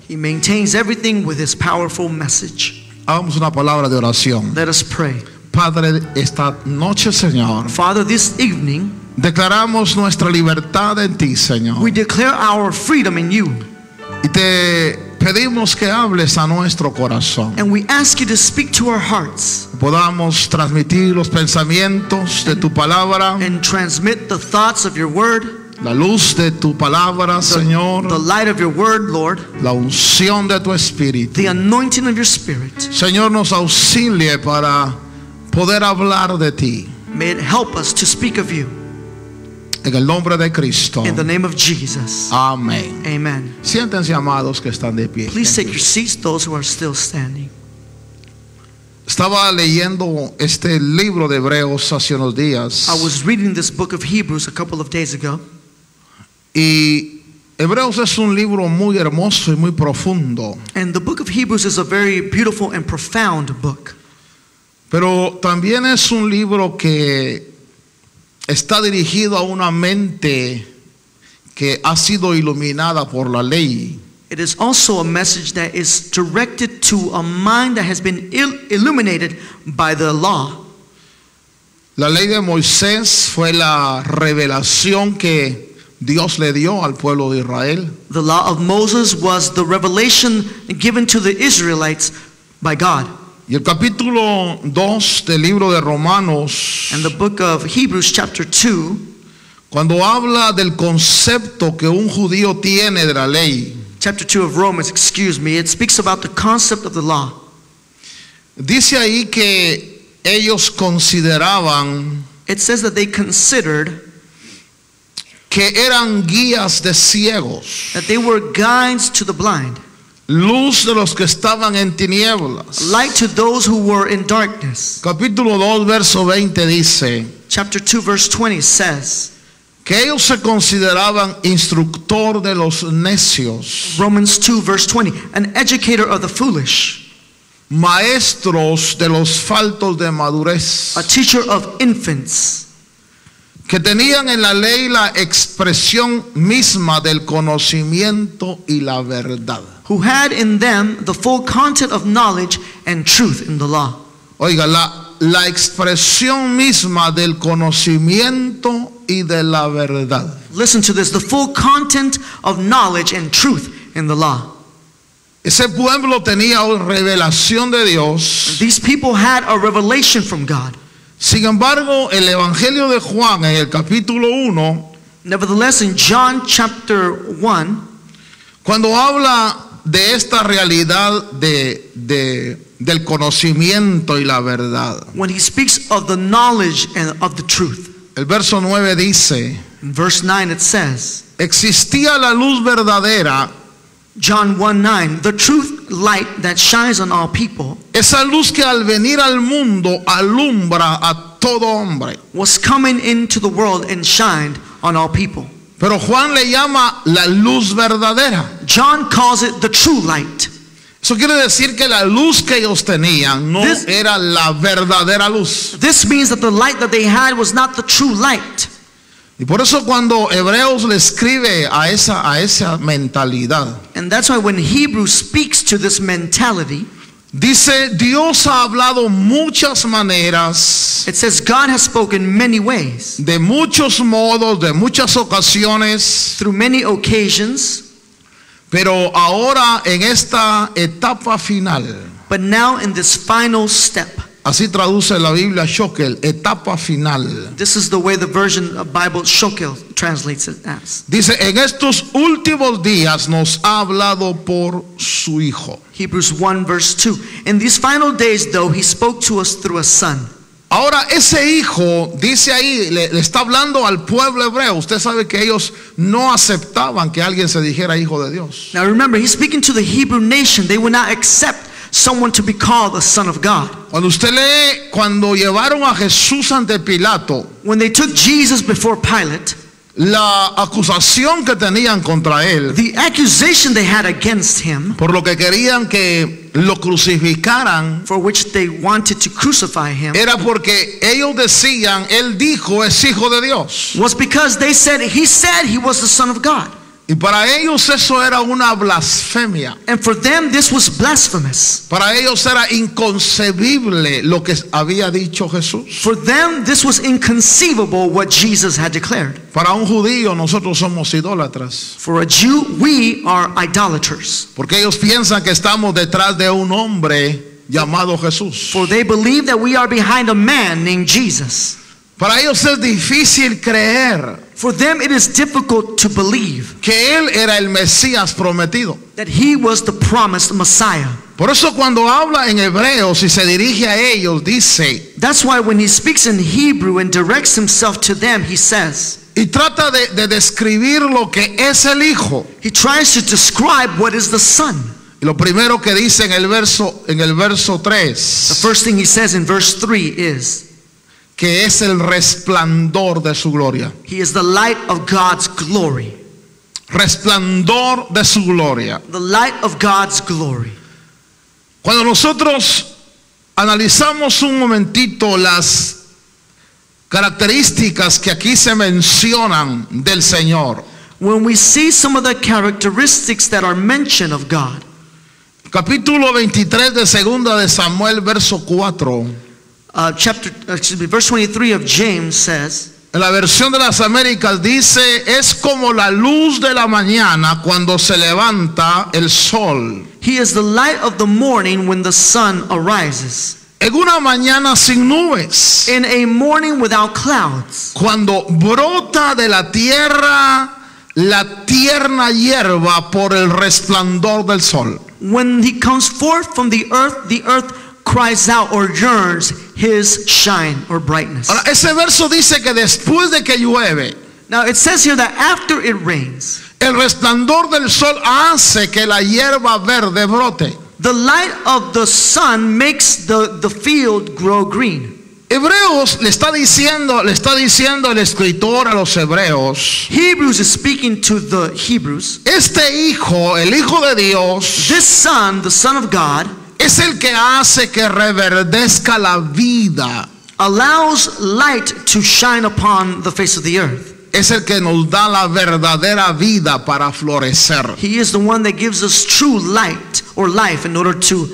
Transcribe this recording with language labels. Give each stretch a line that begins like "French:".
English: He maintains everything with his powerful message.
Spanish: Hagamos una palabra de oración.
English: Let us pray.
Spanish: Padre, esta noche, Señor,
English: Father, this evening,
Spanish: declaramos nuestra libertad en ti, Señor.
English: We declare our freedom in you.
Spanish: Y te pedimos que hables a nuestro corazón.
English: And we ask you to speak to our hearts.
Spanish: Podamos transmitir los pensamientos de tu palabra.
English: And transmit the thoughts of your word.
Spanish: La luz de tu palabra, Señor.
English: The light of your word, Lord.
Spanish: La unción de tu espíritu.
English: The anointing of your spirit.
Spanish: Señor, nos auxilie para poder hablar de ti.
English: May it help us to speak of you.
Spanish: En el nombre de Cristo.
English: In the name of Jesus.
Spanish: Amén.
English: Amen.
Spanish: Siéntense, amados que están de pie.
English: Please take your seats, those who are still standing.
Spanish: Estaba leyendo este libro de Hebreos hace unos días.
English: I was reading this book of Hebrews a couple of days ago.
Spanish: Y Hebreos es un libro muy hermoso y muy profundo.
English: And the book of Hebrews is a very beautiful and profound book.
Spanish: Pero también es un libro que está dirigido a una mente que ha sido iluminada por la ley.
English: It is also a message that is directed to a mind that has been illuminated by the law.
Spanish: La ley de Moisés fue la revelación que Dios le dio al pueblo de Israel.
English: The law of Moses was the revelation given to the Israelites by God.
Spanish: Y el capítulo 2 del libro de Romanos,
English: and the book of Hebrews chapter 2,
Spanish: cuando habla del concepto que un judío tiene de la ley,
English: chapter 2 of Romans, excuse me, it speaks about the concept of the law.
Spanish: Dice ahí que ellos consideraban,
English: it says that they considered,
Spanish: que eran guías de ciegos,
English: that they were guides to the blind,
Spanish: luz de los que estaban en tinieblas,
English: light to those who were in darkness.
Spanish: Capítulo 2 verso 20 dice,
English: chapter 2 verse 20 says,
Spanish: que ellos se consideraban instructor de los necios,
English: Romans 2 verse 20, an educator of the foolish,
Spanish: maestros de los faltos de madurez,
English: a teacher of infants,
Spanish: que tenían en la ley la expresión misma del conocimiento y la verdad,
English: who had in them the full content of knowledge and truth in the law.
Spanish: Oiga, la expresión misma del conocimiento y de la verdad.
English: Listen to this, the full content of knowledge and truth in the law.
Spanish: Ese pueblo tenía una revelación de Dios.
English: These people had a revelation from God.
Spanish: Sin embargo, el Evangelio de Juan en el capítulo 1,
English: nevertheless, in John chapter 1,
Spanish: cuando habla de esta realidad del conocimiento y la verdad,
English: when he speaks of the knowledge and of the truth,
Spanish: el verso 9 dice,
English: verse 9 it says,
Spanish: existía la luz verdadera,
English: John 1:9, the truth light that shines on all people,
Spanish: esa luz que al venir al mundo alumbra a todo hombre,
English: was coming into the world and shined on all people.
Spanish: Pero Juan le llama la luz verdadera.
English: John calls it the true light.
Spanish: Eso quiere decir que la luz que ellos tenían no era la verdadera luz.
English: This means that the light that they had was not the true light.
Spanish: Y por eso cuando Hebreos le escribe a esa mentalidad.
English: And that's why when Hebrews speaks to this mentality,
Spanish: dice Dios ha hablado muchas maneras.
English: It says God has spoken many ways.
Spanish: De muchos modos, de muchas ocasiones.
English: Through many occasions.
Spanish: Pero ahora en esta etapa final.
English: But now in this final step.
Spanish: Así traduce la Biblia Shokel, etapa final.
English: This is the way the version of Bible Shokel translates it as.
Spanish: Dice, en estos últimos días nos ha hablado por su hijo.
English: Hebrews 1 verse 2. In these final days though, he spoke to us through a son.
Spanish: Ahora ese hijo dice ahí, le está hablando al pueblo hebreo. Usted sabe que ellos no aceptaban que alguien se dijera hijo de Dios.
English: Now remember, he's speaking to the Hebrew nation. They would not accept someone to be called the son of God.
Spanish: Cuando usted lee, cuando llevaron a Jesús ante Pilato,
English: when they took Jesus before Pilate,
Spanish: la acusación que tenían contra él,
English: the accusation they had against him,
Spanish: por lo que querían que lo crucificaran,
English: for which they wanted to crucify him,
Spanish: era porque ellos decían, él dijo, es hijo de Dios,
English: was because they said, he said he was the son of God.
Spanish: Y para ellos eso era una blasfemia.
English: And for them this was blasphemous.
Spanish: Para ellos era inconcebible lo que había dicho Jesús.
English: For them this was inconceivable what Jesus had declared.
Spanish: Para un judío nosotros somos idólatras.
English: For a Jew we are idolaters.
Spanish: Porque ellos piensan que estamos detrás de un hombre llamado Jesús.
English: For they believe that we are behind a man named Jesus.
Spanish: Para ellos es difícil creer.
English: For them it is difficult to believe
Spanish: que él era el Mesías prometido.
English: That he was the promised Messiah.
Spanish: Por eso cuando habla en hebreo, si se dirige a ellos, dice,
English: that's why when he speaks in Hebrew and directs himself to them, he says,
Spanish: y trata de describir lo que es el hijo.
English: He tries to describe what is the son.
Spanish: Y lo primero que dice en el verso 3,
English: the first thing he says in verse 3 is
Spanish: que es el resplandor de su gloria.
English: He is the light of God's glory.
Spanish: Resplandor de su gloria.
English: The light of God's glory.
Spanish: Cuando nosotros analizamos un momentito las características que aquí se mencionan del Señor.
English: When we see some of the characteristics that are mentioned of God.
Spanish: Capítulo 23 de Segunda de Samuel, verso 4.
English: Verse 23 of James says,
Spanish: en la versión de las Américas dice, es como la luz de la mañana cuando se levanta el sol.
English: He is the light of the morning when the sun arises.
Spanish: En una mañana sin nubes.
English: In a morning without clouds.
Spanish: Cuando brota de la tierra la tierna hierba por el resplandor del sol.
English: When he comes forth from the earth cries out or yearns his shine or brightness.
Spanish: Ahora, ese verso dice que después de que llueve,
English: now it says here that after it rains,
Spanish: el resplandor del sol hace que la hierba verde brote.
English: The light of the sun makes the field grow green.
Spanish: Hebreos le está diciendo el escritor a los hebreos.
English: Hebrews is speaking to the Hebrews.
Spanish: Este hijo, el hijo de Dios,
English: this son, the son of God,
Spanish: es el que hace que reverdezca la vida.
English: Allows light to shine upon the face of the earth.
Spanish: Es el que nos da la verdadera vida para florecer.
English: He is the one that gives us true light or life in order to